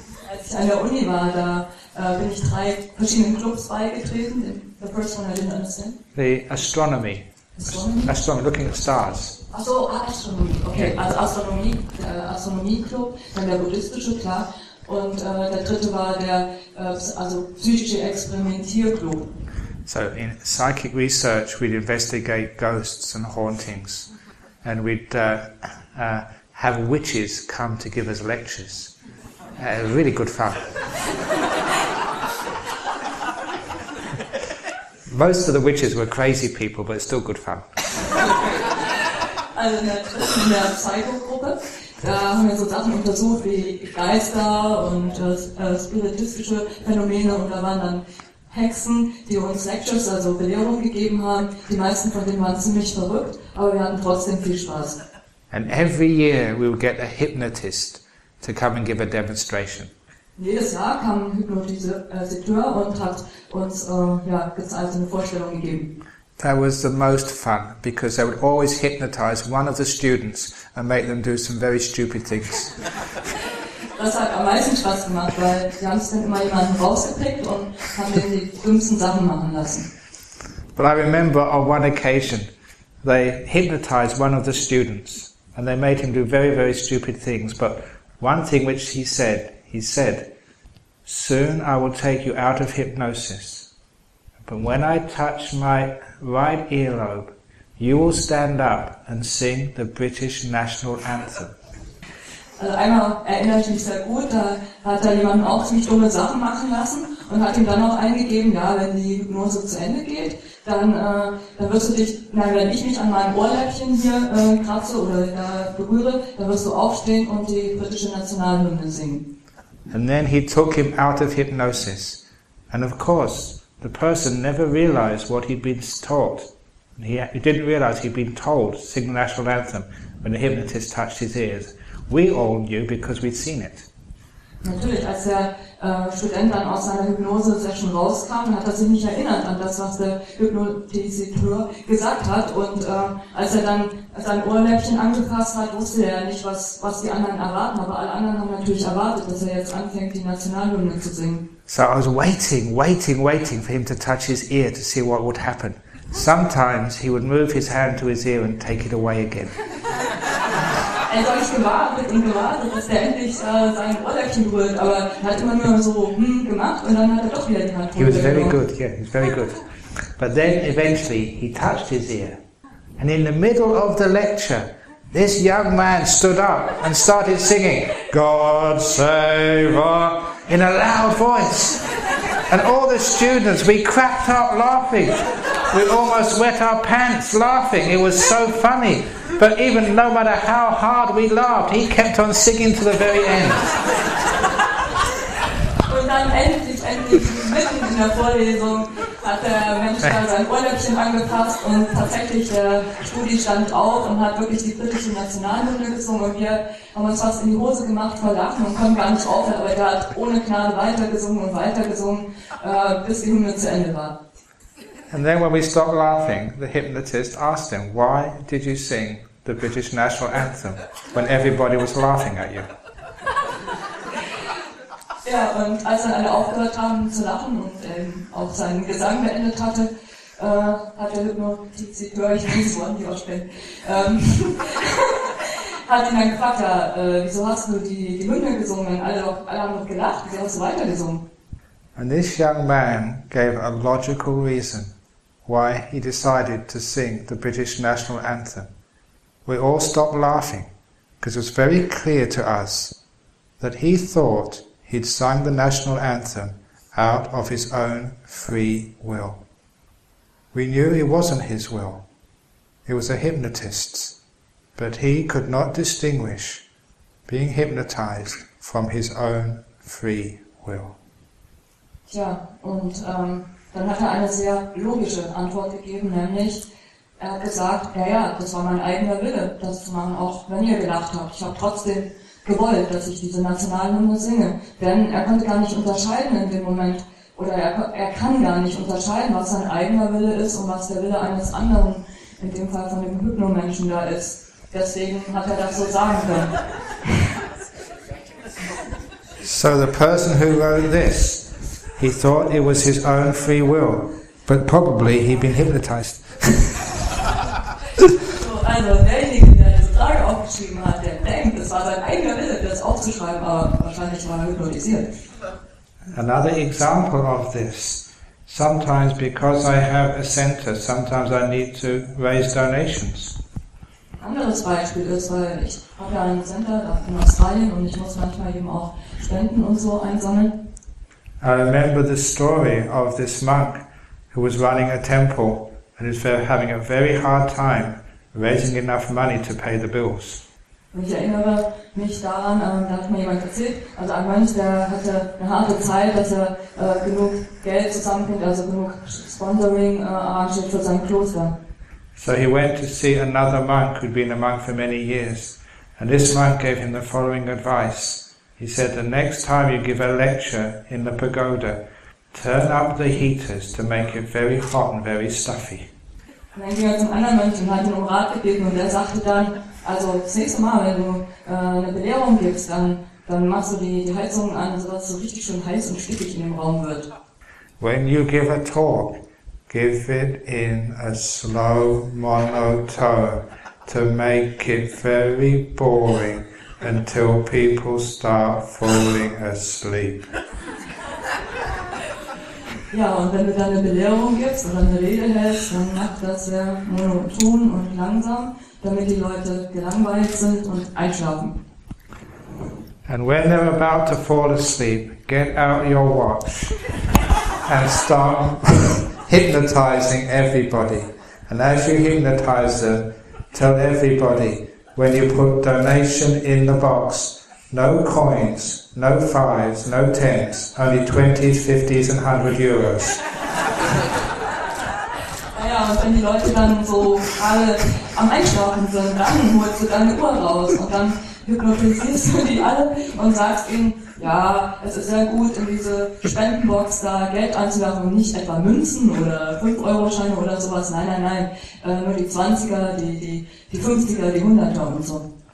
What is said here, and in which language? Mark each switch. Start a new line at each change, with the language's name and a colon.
German: Als ich an der Uni war, da bin ich 3 verschiedenen Clubs beigetreten.
English: The first one I didn't understand. The astronomy. Astronomy, looking at stars.
German: Also Astronomie. Okay, also Astronomie Club, dann der buddhistische Club und der dritte war der psychische Experimentierclub.
English: So in psychic research we'd investigate ghosts and hauntings and we'd have witches come to give us lectures. Really good fun. Most of the witches were crazy people, but it's still good fun.
German: Also in der Psycho-Gruppe, da haben wir so Sachen untersucht wie Geister und spiritistische Phänomene und da waren dann Hexen, die uns Lectures, also Belehrung gegeben haben. Die meisten von denen waren ziemlich verrückt, aber wir hatten trotzdem viel Spaß.
English: And every year we would get a hypnotist to come and give a demonstration.
German: Jedes Jahr kam ein Hypnotiseur und hat uns eine Vorstellung gegeben.
English: That was the most fun, because they would always hypnotize one of the students and make them do some very stupid things.
German: Das hat am meisten Spaß gemacht, weil die haben es dann immer jemanden rausgepickt und haben den die dümmsten Sachen machen lassen.
English: But I remember on one occasion, they hypnotized one of the students and they made him do very, very stupid things, but one thing which he said, soon I will take you out of hypnosis, but when I touch my right earlobe, you will stand up and sing the British National Anthem.
German: Also einmal erinnere ich mich sehr gut, da hat da jemanden auch ziemlich dumme Sachen machen lassen und hat ihm dann auch eingegeben, ja, wenn die Hypnose zu Ende geht, dann wirst du dich, nein, wenn ich mich an meinem Ohrläppchen hier kratze oder berühre, dann wirst du aufstehen und die britische Nationalhymne singen.
English: And then he took him out of hypnosis. And of course, the person never realized what he'd been taught. He didn't realize he'd been told to sing the national anthem when the hypnotist touched his ears. We all knew because we'd seen it.
German: Natürlich, als der Student dann aus seiner Hypnose-Session rauskam, hat er sich nicht erinnert an das, was der Hypnotiseur gesagt hat. Und als er dann sein Ohrläppchen angepasst hat, wusste er nicht, was die anderen erwarten. Aber alle anderen haben natürlich erwartet, dass er jetzt anfängt, die Nationalhymne zu singen.
English: So I was waiting for him to touch his ear to see what would happen. Sometimes he would move his hand to his ear and take it away again. He was very good, yeah, he was very good. But then eventually he touched his ear. And in the middle of the lecture, this young man stood up and started singing, God save her, in a loud voice. And all the students, we cracked up laughing. We almost wet our pants laughing. It was so funny. But even no matter how hard we laughed, he kept on singing to the very end.
German: Und dann endlich, mitten in der Vorlesung, hat der Mensch da sein Ohrläppchen angepasst und tatsächlich der Studi stand auf und hat wirklich die britische Nationalhymne gesungen und wir haben uns fast in die Hose gemacht vor Lachen und konnten gar nicht aufhören, aber er hat ohne Gnade weitergesungen und weitergesungen, bis die Hymne zu Ende war.
English: And then when we stopped laughing, the hypnotist asked him, why did you sing the British National Anthem when everybody was laughing at you?
German: Ja, und als dann alle aufgehört haben zu lachen und auch seinen Gesang beendet hatte, hat der Hypnotiseur, ich weiß nicht, die ausspielen, hat ihn dann gefragt, ja, wieso hast du die Hymne gesungen, wenn alle haben gelacht, wieso hast du weitergesungen?
English: And this young man gave a logical reason why he decided to sing the British National Anthem. We all stopped laughing, because it was very clear to us that he thought he'd sung the National Anthem out of his own free will. We knew it wasn't his will. It was a hypnotist's. But he could not distinguish being hypnotized from his own free will.
German: Tja, und dann hat er eine sehr logische Antwort gegeben, nämlich er hat gesagt, naja, das war mein eigener Wille, das zu machen, auch wenn ihr gelacht habt. Ich habe trotzdem gewollt, dass ich diese Nationalhymne singe. Denn er konnte gar nicht unterscheiden in dem Moment, oder er kann gar nicht unterscheiden, was sein eigener Wille ist und was der Wille eines anderen, in dem Fall von dem Hypnomenschen, da ist. Deswegen hat er das so sagen können.
English: So the person who wrote this, he thought it was his own free will, but probably he'd been hypnotized.
German: So, also derjenige, der diese Frage aufgeschrieben hat, der denkt, es war sein eigener Wille, das aufzuschreiben, aber wahrscheinlich war er hypnotisiert.
English: Another example of this. Sometimes because I have a center, sometimes I need to raise donations.
German: Anderes Beispiel ist, weil ich habe ja ein Center in Australien und ich muss manchmal eben auch Spenden und so einsammeln.
English: I remember the story of this monk who was running a temple and is having a very hard time raising enough money to pay the bills.
German: Ich erinnere mich daran, da hat mir jemand erzählt, also ein Mönch, der hatte eine harte Zeit, dass er genug Geld zusammenkriegt, also genug Sponsoring arrangiert für sein Kloster.
English: So he went to see another monk who'd been a monk for many years, and this monk gave him the following advice. He said, the next time you give a lecture in the pagoda, turn up the heaters to make it very hot and very stuffy.
German: Und dann ging er zum anderen Mönch und hat ihm Rat gegeben und er sagte dann, also das nächste Mal, wenn du eine Belehrung gibst, dann machst du die Heizung an, sodass es so richtig schön heiß und stickig in dem Raum wird.
English: When you give a talk, give it in a slow monotone to make it very boring. Until people start falling asleep.
German: Ja, und wenn du dann eine Belehrung gibst oder eine Rede hältst, dann mach das sehr monoton und langsam, damit die Leute gelangweilt sind und einschlafen.
English: And when they're about to fall asleep, get out your watch and start hypnotizing everybody. And as you hypnotize them, tell everybody, when you put donation in the box, no coins, no fives, no tens, only 20s, 50s and 100 euros.
German: Ja, und wenn die Leute dann so alle am Einschlafen sind, dann holst du deine Uhr raus und dann hypnotisierst du die alle und sagst ihnen, ja, es ist sehr gut, in diese Spendenbox da Geld einzuwerfen und nicht etwa Münzen oder 5-Euro-Scheine oder sowas, nein, nur die 20er, die 50er, die 100er und so.